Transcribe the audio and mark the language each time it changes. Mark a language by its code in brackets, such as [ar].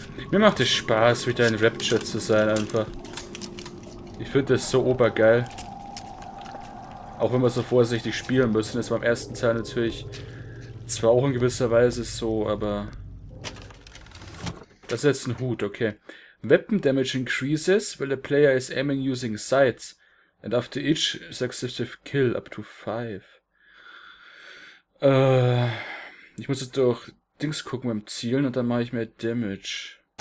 [de] Mir macht es Spaß, wieder ein Rapture zu sein, einfach. Ich finde das so obergeil. Auch wenn wir so vorsichtig spielen müssen, ist beim ersten Teil natürlich zwar auch in gewisser Weise so, aber. Das ist jetzt ein Hut, okay. [en] Weapon damage increases when the player is aiming using sights and after each successive kill up to 5. [de] Ich muss jetzt durch Dings gucken beim Zielen und dann mache ich mehr Damage.